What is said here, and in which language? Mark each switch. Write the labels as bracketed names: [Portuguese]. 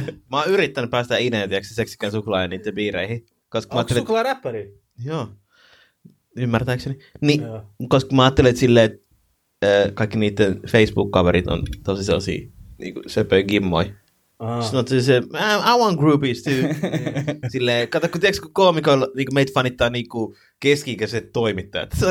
[Finnish] Mä oon yrittänyt päästä ineen, tiiäks, seksikään suklaa ja niiden biireihin. Onko suklaa räppäri? Joo. Ymmärtääkseni. Niin, koska mä ajattelin, että silleen, kaikki niiden Facebook-kaverit on tosi sellaisia niin kuin söpöi gimmoi. Sanoit se, [English] I want groupies too. [Finnish] Silleen, kato, kun tiedätkö, kun koomikoilla niin meitä fanittaa niin kuin keski-ikäiset toimittajat.